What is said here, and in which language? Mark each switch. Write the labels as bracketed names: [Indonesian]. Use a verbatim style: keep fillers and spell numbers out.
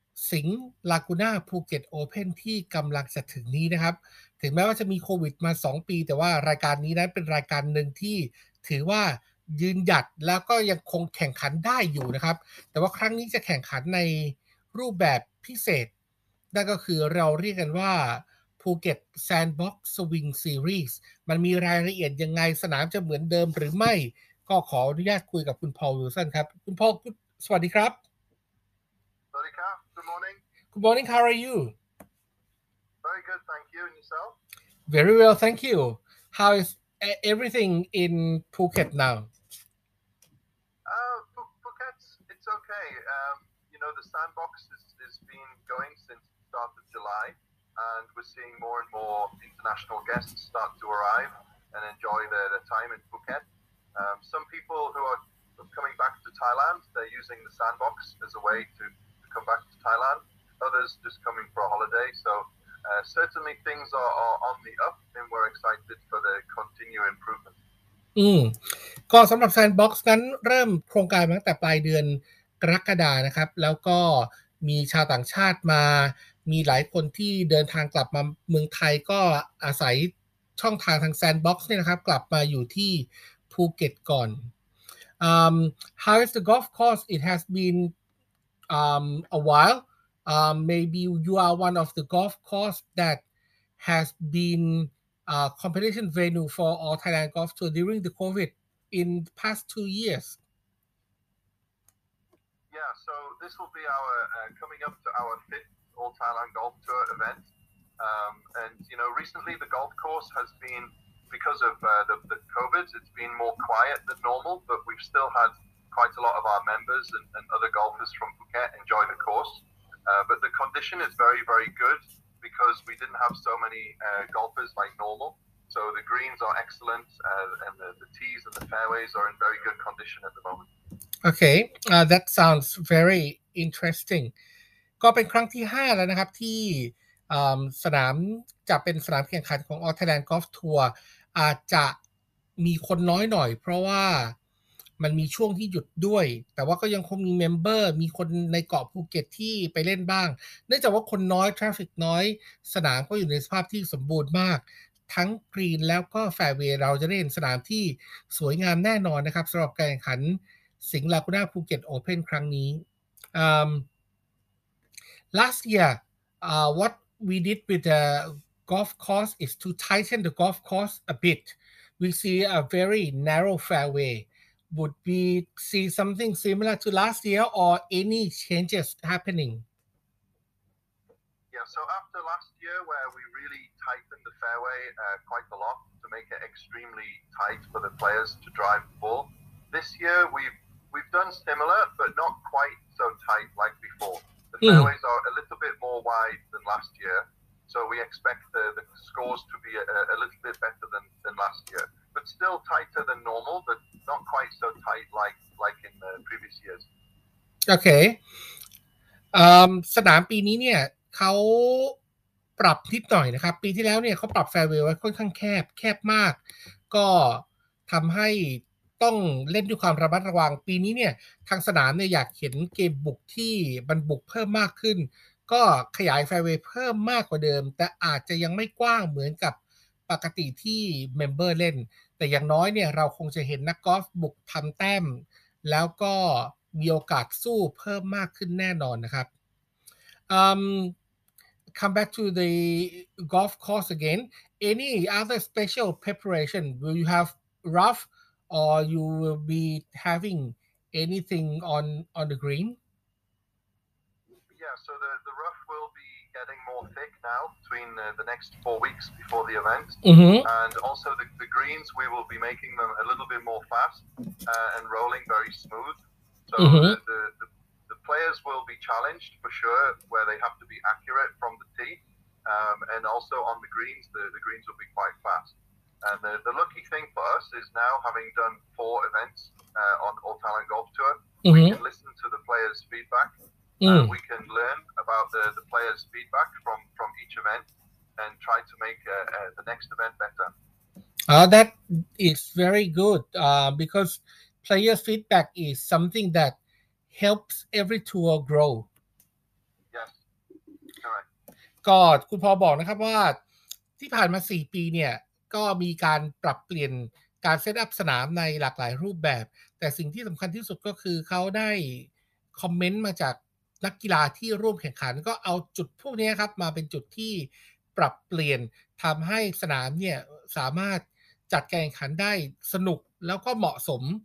[Thai] สิงห์ Laguna Phuket Open ที่กำลังจะถึงนี้นะครับถึงแม้ว่าจะมีโควิดมาสองปีแต่ว่ารายการนี้นั้นเป็นรายการหนึ่งที่ถือว่ายืนหยัดแล้วก็ยังคงแข่งขันได้อยู่นะครับแต่ว่าครั้งนี้จะแข่งขันในรูปแบบพิเศษนั่นก็คือเราเรียกกันว่า Phuket Sandbox Swing Series มันมีรายละเอียดยังไงสนามจะเหมือนเดิมหรือไม่ก็ขออนุญาตคุยกับคุณพอลวิลสันครับคุณพอลสวัสดีครับ สวัสดีครับ [English] Good morning Good morning How are you Very good thank you and yourself Very well thank you How is everything in Phuket now uh, Phuket it's okay um, you know the sandbox is, is been going since the start of July and we're seeing more and more international guests start to arrive and enjoy their, their time in Phuket um, some people who are coming back to Thailand they're using the sandbox as a way to come back to Thailand, others just coming for a holiday. So uh, certainly things are, are on the up and we're excited for the continued improvement. [Thai] อืมก็สำหรับ Sandbox นั้นเริ่มโครงการมาตั้งแต่ปลายเดือนกรกฎาคมนะครับแล้วก็มีชาวต่างชาติมามีหลายคนที่เดินทางกลับมาเมืองไทยก็อาศัยช่องทางทาง Sandbox เนี่ยนะครับกลับมาอยู่ที่ภูเก็ตก่อน um, [English] How is the golf course? It has been Um, a while. Um, maybe you are one of the golf course that has been a competition venue for All Thailand Golf Tour during the COVID in the past two years. Yeah, so this will be our uh, coming up to our fifth All Thailand Golf Tour event. Um, and, you know, recently the golf course has been, because of uh, the, the COVID, it's been more quiet than normal, but we've still had quite a lot of our members and, and other golfers from Phuket enjoy the course. Uh, but the condition is very, very good because we didn't have so many uh, golfers like normal. So the greens are excellent uh, and the, the tees and the fairways are in very good condition at the moment. Okay, uh, that sounds very interesting. [Thai] ก็เป็นครั้งที่ห้าแล้วนะครับที่สนามจะเป็นสนามแข่งขันของ All Thailand Golf Tour อาจจะมีคนน้อยหน่อยเพราะว่ามันมีช่วงที่หยุดด้วยแต่ว่าก็ยังคงมีเมมเบอร์มีคนในเกาะภูเก็ตที่ไปเล่นบ้างเนื่องจากว่าคนน้อยทราฟฟิกน้อยสนามก็อยู่ในสภาพที่สมบูรณ์มาก ทั้งกรีนแล้วก็แฟร์เวย์เราจะได้เห็นสนามที่สวยงามแน่นอนนะครับสำหรับการแข่งขันสิงห์ Laguna Phuket Open ครั้งนี้ [English] um, Last year uh, what we did with the golf course is to tighten the golf course a bit we see a very narrow fairway Would we see something similar to last year or any changes happening? Yeah, so after last year where we really tightened the fairway uh, quite a lot to make it extremely tight for the players to drive the ball, this year we've, we've done similar but not quite so tight like before. The mm. fairways are a little bit more wide than last year, so we expect the, the scores to be a, a little bit better than, than last year. But still tighter than normal, but not quite so tight like like in the previous years. Okay. [Thai] Um, สนามปีนี้เนี่ยเขาปรับนิดหน่อยนะครับปีที่แล้วเนี่ยเขาปรับแฟร์เวย์ไว้ค่อนข้างแคบแคบมากก็ทำให้ ต้องเล่นด้วยความระมัดระวังปีนี้เนี่ยทางสนามเนี่ยอยากเห็นเกมบุกที่มันบุกเพิ่มมากขึ้นก็ขยายแฟร์เวย์เพิ่มมากกว่าเดิมแต่อาจจะยังไม่กว้างเหมือนกับ ปกติที่เมมเบอร์เล่นแต่อย่างน้อยเนี่ยเราคงจะเห็นนักกอล์ฟบุกทำแต้มแล้วก็มีโอกาสสู้เพิ่มมากขึ้นแน่นอนนะครับ [English] um, Come back to the golf course again Any other special preparation will you have rough or you will be having anything on on the green Yeah so the the rough will begetting more thick now between uh, the next four weeks before the event mm-hmm. and also the, the green greens, we will be making them a little bit more fast uh, and rolling very smooth. So mm-hmm. the, the, the the players will be challenged for sure, where they have to be accurate from the tee, um, and also on the greens, the, the greens will be quite fast. And the, the lucky thing for us is now, having done four events uh, on All Talent Golf Tour, mm-hmm. we can listen to the players' feedback. Mm. And we can learn about the, the players' feedback from, from each event and try to make uh, uh, the next event better. Uh, that is very good uh, because players' feedback is something that helps every tour grow. Yes, correct. [Thai] ก็คุณพอบอกนะครับว่าที่ผ่านมาสี่ปีเนี่ยก็มีการปรับเปลี่ยนการเซตอัพสนามในหลากหลายรูปแบบแต่สิ่งที่สำคัญที่สุดก็คือเขาได้คอมเมนต์มาจากนักกีฬาที่ร่วมแข่งขันก็เอาจุดพวกนี้ครับมาเป็นจุดที่ปรับเปลี่ยนทำให้สนามเนี่ยสามารถจัดการแข่งขันได้สนุกแล้วก็เหมาะสม